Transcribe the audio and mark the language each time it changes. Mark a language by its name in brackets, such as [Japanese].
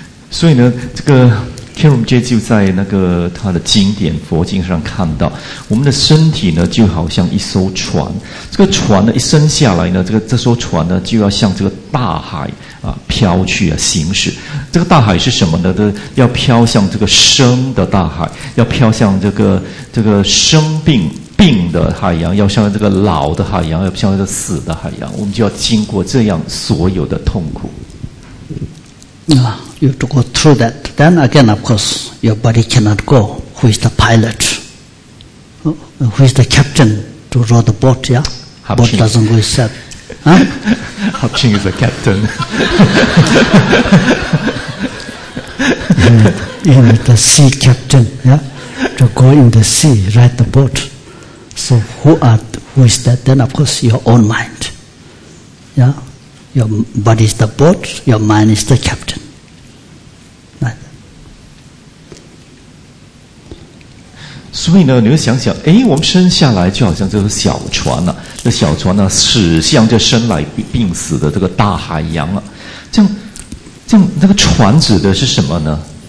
[Chinese] 所以呢，这个 Kirum J 就在那个他的经典佛经上看到，我们的身体呢就好像一艘船，这个船呢一生下来呢，这艘船呢就要向这个大海啊飘去啊行驶。这个大海是什么呢？要飘向这个生的大海，要飘向这个生病的海洋，要向这个老的海洋，要向这个死的海洋，我们就要经过这样所有的痛苦。 [English] You have to go through that. Then again, of course, your body cannot go. Who is the pilot? Who is the captain to row the boat, yeah? Hap-ching. Boat doesn't go itself. Hap-ching is the captain. You need the sea captain, yeah? To go in the sea, ride the boat. So who is that? Then, of course, your own mind. Yeah? Your body is the boat, your mind is the captain. So, you know, [Chinese] 你会想想，诶，我们生下来就好像这个小船啊，这小船呢，驶向这生来病死的这个大海洋啊，这样，那个船指的是什么呢？